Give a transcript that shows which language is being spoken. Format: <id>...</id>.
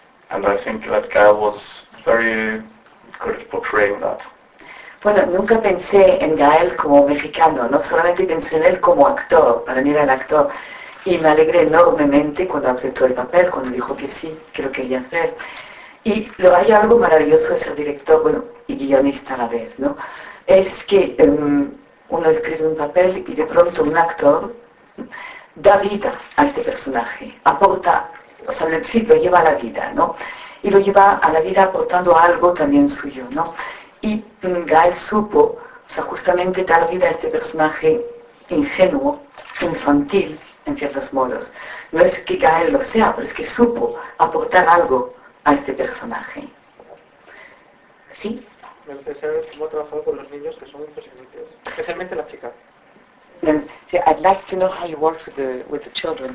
<en>And I think that Gael was very good at portraying that.</en> <es>Bueno, nunca pensé en Gael como mexicano, no solamente pensé en él como actor, para mí era el actor, y me alegré enormemente cuando aceptó el papel, cuando dijo que sí, que lo quería hacer. Y lo hay algo maravilloso de ser director, bueno, y guionista a la vez, ¿no? Es que uno escribe un papel y de pronto un actor da vida a este personaje, aporta, o sea, sí, lo lleva a la vida, ¿no? Y lo lleva a la vida aportando algo también suyo, ¿no? Y Gael supo, o sea, justamente dar vida a este personaje ingenuo, infantil, en ciertos modos. No es que Gael lo sea, pero es que supo aportar algo a este personaje. ¿Sí? Me gustaría saber cómo ha trabajado con los niños, que son impresionantes, especialmente la chica.</es> <en>See, I'd like to know how you work with the children.</en>